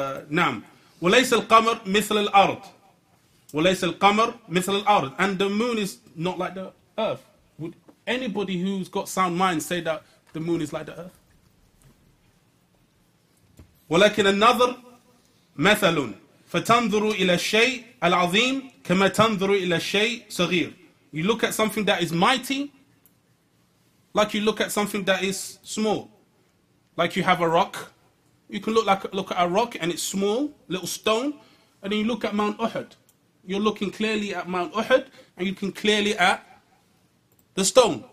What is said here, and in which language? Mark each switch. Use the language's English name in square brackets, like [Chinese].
[Arabic] نعم وليس القمر مثل الأرض وليس القمر مثل الأرض [English] and the moon is not like the earth. Would anybody who's got sound mind say that the moon is like the earth? [Arabic] ولكن النظر مثل فتنظر إلى الشيء العظيم كما تنظر إلى الشيء صغير. [English] You look at something that is mighty like you look at something that is small. Like you have a rock. You can look at a rock and it's small, little stone. And then you look at Mount Uhud. You're looking clearly at Mount Uhud and you can clearly at the stone.